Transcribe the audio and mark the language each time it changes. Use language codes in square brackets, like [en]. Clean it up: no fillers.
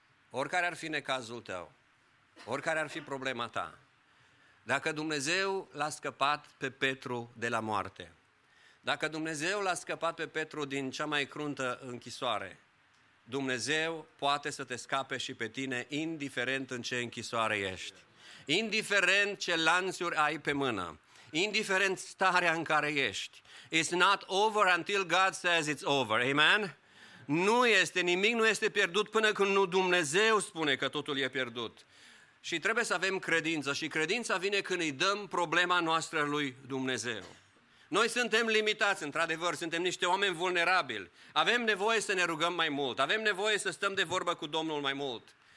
[ro] oricare ar fi necazul tău, oricare ar fi problema ta, dacă Dumnezeu l-a scăpat pe Petru de la moarte, dacă Dumnezeu l-a scăpat pe Petru din cea mai cruntă închisoare, Dumnezeu poate să te scape și pe tine, indiferent în ce închisoare ești, indiferent ce lanțuri ai pe mână, indiferent starea în care ești. [en] It's not over until God says it's over. Amen? [ro] Nu este, nimic nu este pierdut până când nu Dumnezeu spune că totul e pierdut. Și trebuie să avem credință și credința vine când îi dăm problema noastră lui Dumnezeu. Noi suntem limitați, într-adevăr, suntem niște oameni vulnerabili. Avem nevoie să ne rugăm mai mult, avem nevoie să stăm de vorbă cu Domnul mai mult.